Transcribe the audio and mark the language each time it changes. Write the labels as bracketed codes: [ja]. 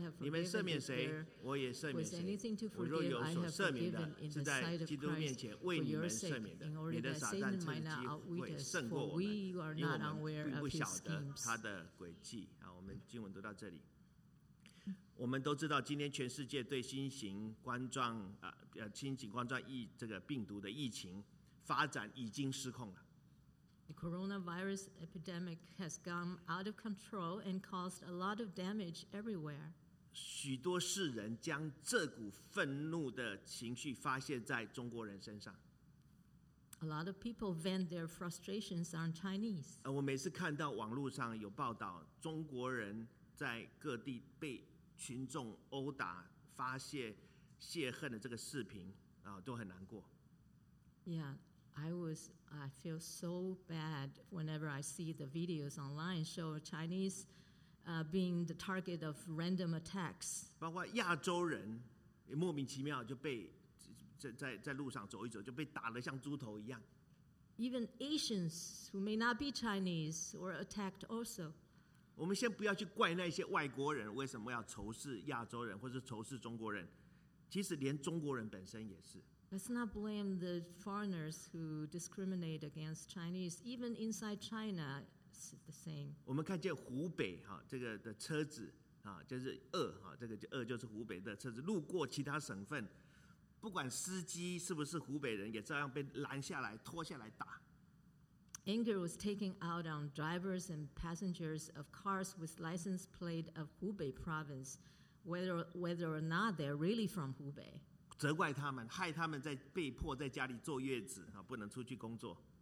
[zh] 你们赦免谁，我也赦免谁。我若有所赦免的，是在基督面前为你们赦免的，免得撒旦趁机会胜过我们，因为我们并不晓得他的诡计。好，我们经文读到这里。我们都知道，今天全世界对新型冠状疫这个病毒的疫情发展已经失控了。 [en] The coronavirus epidemic has gone out of control and caused a lot of damage everywhere. [zh] 许多世人将这股愤怒的情绪发泄在中国人身上。 [en] A lot of people vent their frustrations on Chinese. [zh] 我每次看到网络上有报道，中国人在各地被群众殴打、发泄泄恨的这个视频啊，都很难过。 [en] Yeah. I feel so bad whenever I see the videos online show Chinese being the target of random attacks. [zh] 包括亚洲人也莫名其妙就被 在路上走一走就被打得像猪头一样。 [en] Even Asians who may not be Chinese were attacked also. [zh] 我们先不要去怪那些外国人为什么要仇视亚洲人或是仇视中国人，其实连中国人本身也是。 [en] Let's not blame the foreigners who discriminate against Chinese. Even inside China, it's the same. [zh] 我们看见湖北哈这个的车子啊，就是鄂哈，这个鄂就是湖北的车子路过其他省份，不管司机是不是湖北人，也照样被拦下来拖下来打。 [en] Anger was taken out on drivers and passengers of cars with license plate of Hubei province, whether or not they're really from Hubei. [zh] 责怪他们，害他们在被迫在家里坐月子啊，不能出去工作。